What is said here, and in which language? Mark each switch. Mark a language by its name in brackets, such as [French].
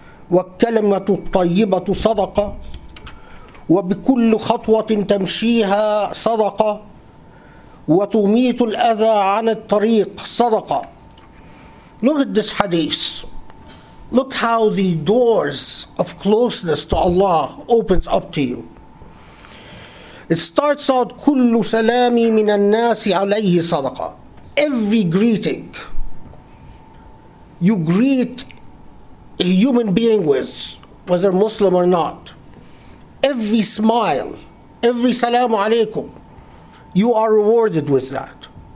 [Arabic] والكلمة الطيبة صدقة وبكل خطوة تمشيها صدقة وتميت الأذى عن الطريق صدقة. [English] Look at this hadith. Look how the doors of closeness to Allah opens up to you. It starts out [Arabic] كل سلامي من الناس عليه صدقة. [English] Every greeting you greet a human being with, whether Muslim or not, every smile, every salamu alaykum, you are rewarded with that.